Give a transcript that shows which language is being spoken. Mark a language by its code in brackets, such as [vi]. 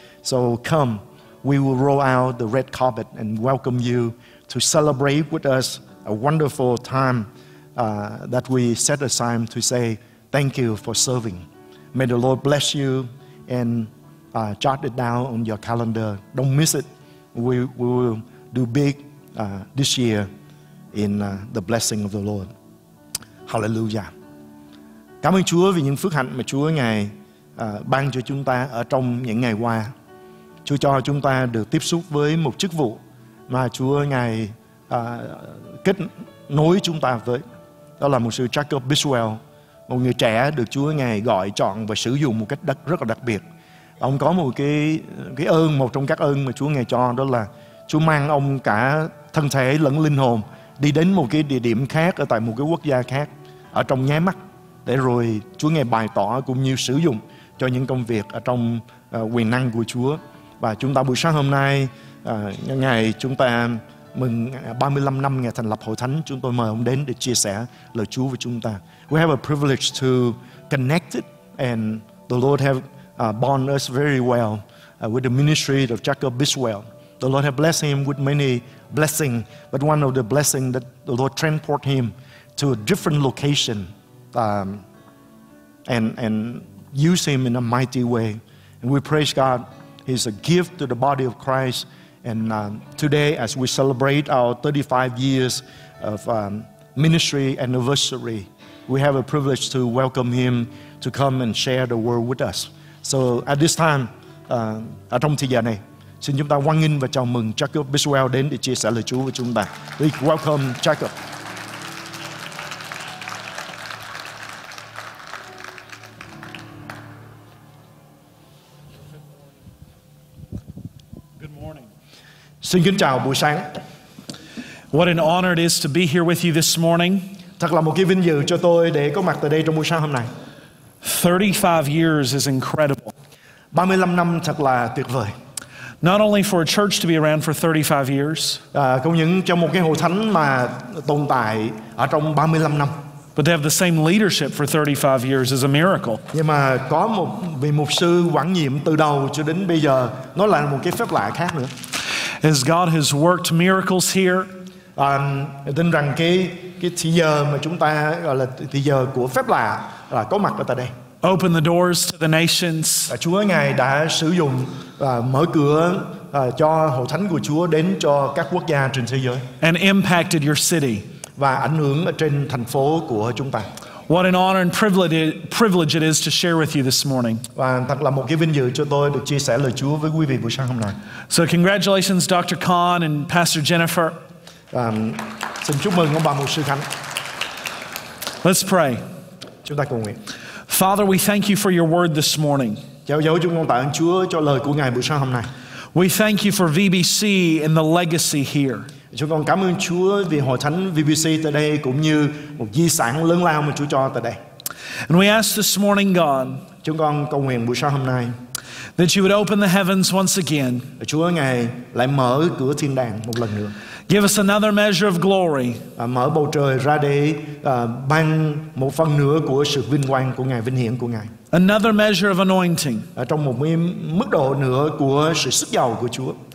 [en] So come, we will roll out the red carpet and welcome you to celebrate with us a wonderful time that we set aside to say thank you for serving. May the Lord bless you and jot it down on your calendar. Don't miss it. We will do big this year in the blessing of the Lord. Hallelujah. [vi] Cảm ơn Chúa vì những phước hạnh mà Chúa Ngài ban cho chúng ta ở trong những ngày qua. Chúa cho chúng ta được tiếp xúc với một chức vụ mà Chúa Ngài kết nối chúng ta với. Đó là một sự Jacob Biswell, một người trẻ được Chúa Ngài gọi chọn và sử dụng một cách rất là đặc biệt. Ông có một cái ơn, một trong các ơn mà Chúa Ngài cho, đó là Chúa mang ông cả thân thể lẫn linh hồn đi đến một cái địa điểm khác, ở tại một cái quốc gia khác, ở trong nháy mắt, để rồi Chúa Ngài bày tỏ cũng như sử dụng cho những công việc ở trong quyền năng của Chúa. Và chúng ta buổi sáng hôm nay, ngày chúng ta mừng 35 năm ngày thành lập Hội Thánh, chúng tôi mời ông đến để chia sẻ lời Chúa với chúng ta. [en] We have a privilege to connect it, and the Lord have bond us very well with the ministry of Jacob Biswell. The Lord have blessed him with many blessings, but one of the blessings that the Lord transport him to a different location and use him in a mighty way. And we praise God. He's a gift to the body of Christ. And today, as we celebrate our 35 years of ministry anniversary, we have a privilege to welcome him to come and share the word with us. So at this time, [vi] ở trong thời gian này, xin chúng ta hoan nghênh và chào mừng Jacob Biswell đến để chia sẻ lời Chúa với chúng ta. [en] Please welcome Jacob. [vi] Xin kính chào buổi sáng. [en] What an honor it is to be here with you this morning. [vi] Thật là một cái vinh dự cho tôi để có mặt tại đây trong buổi sáng hôm nay. [en] 35 years is incredible. [vi] 35 năm thật là tuyệt vời. [en] Not only for a church to be around for 35 years, [vi] không những cho một cái hội thánh mà tồn tại ở trong 35 năm, [en] but to have the same leadership for 35 years is a miracle. [vi] Nhưng mà có một vị mục sư quản nhiệm từ đầu cho đến bây giờ, nó là một cái phép lạ khác nữa. [en] As God has worked miracles here, [vi] tin rằng cái thì giờ mà chúng ta gọi là thì giờ của phép lạ là có mặt ở tại đây. [en] Open the doors to the nations. [vi] Chúa ngài đã sử dụng mở cửa cho hội thánh của Chúa đến cho các quốc gia trên thế giới. [en] And impacted your city. [vi] Và ảnh hưởng ở trên thành phố của chúng ta. [en] What an honor and privilege it is to share with you this morning. [vi] Và thật là một cái vinh dự cho tôi được chia sẻ lời Chúa với quý vị buổi sáng hôm nay. [en] So congratulations, Dr. Khan and Pastor Jennifer. [vi] Xin chúc mừng ông bà mục sư Khánh. [en] Let's pray. [vi] Chúng ta cùng nguyện. [en] Father, we thank you for your word this morning. [vi] Cháu chúng con tạ ơn Chúa cho lời của ngài buổi sáng hôm nay. [en] We thank you for VBC and the legacy here. [vi] Chúng con cảm ơn Chúa vì hội thánh VBC tại đây cũng như một di sản lớn lao mà Chúa cho tại đây. [en] And we ask this morning, God, [vi] chúng con cầu nguyện buổi sáng hôm nay, [en] that you would open the heavens once again. [vi] Chúa ngài lại mở cửa thiên đàng một lần nữa. [en] Give us another measure of glory. [vi] Mở bầu trời ra để ban một phần nữa của sự vinh quang của ngài, vinh hiển của ngài. [en] Another measure of anointing. [vi] Trong một mức độ nữa của sự sức dầu của Chúa.